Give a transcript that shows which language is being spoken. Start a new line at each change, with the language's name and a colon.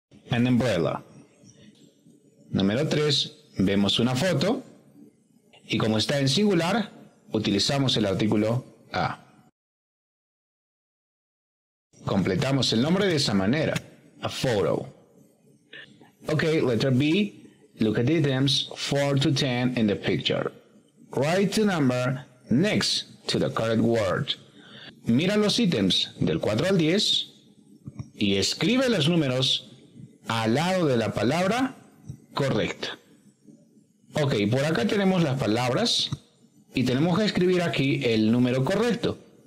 English: An umbrella.
Spanish: Número 3, vemos una foto, y como está en singular, utilizamos el artículo a. Completamos el nombre de esa manera,
English: a photo. Ok, letter B, look at the items 4 to 10 in the picture. Write the number next to the correct word.
Spanish: Mira los ítems del 4 al 10 y escribe los números al lado de la palabra correcta. Ok, por acá tenemos las palabras y tenemos que escribir aquí el número correcto.